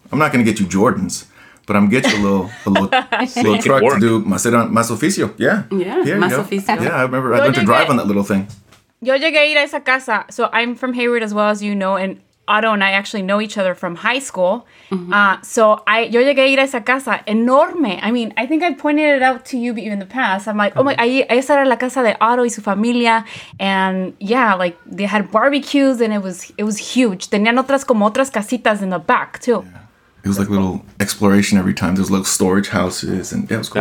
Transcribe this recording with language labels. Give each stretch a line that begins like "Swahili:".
English: I'm not going to get you Jordans, but I'm going to get you a little truck to do
Spanish: mas oficio.
English: Yeah. Yeah,
Spanish: mas oficio.
English: Yeah, I remember I learned to drive on that little thing.
Spanish: Yo llegué a ir a esa casa.
English: So I'm from Hayward, as well as you know, and Otto and I actually know each other from high school. Mm-hmm.
Spanish: Yo llegué a ir a esa casa enorme.
English: I mean, I think I pointed it out to you in the past. I'm like, oh my,
Spanish: esa era la casa de Otto y su familia.
English: And yeah, like they had barbecues and it was huge.
Spanish: Tenían otras como otras casitas
English: in the back too. Yeah. It was That's like a little cool. exploration every time. There's little storage houses and it was cool.